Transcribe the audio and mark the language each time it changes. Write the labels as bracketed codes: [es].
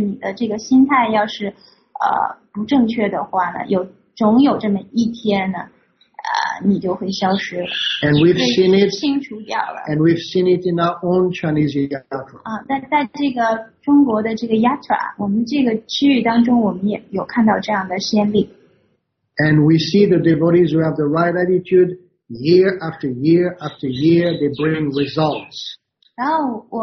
[zh] 那不管是你的这个服务做得有多大，但是你的这个心态要是。不正确的话呢，有总有这么一天呢，你就会消失。 [en] And we've seen it. [zh] 清除掉了。 [en] And we've seen it in our own Chinese yatra. [zh] 在这个中国的这个 yatra， 我们这个区域当中，我们也有看到这样的先例。 [en] And we see the devotees who have the right attitude, year after year after year, they bring results.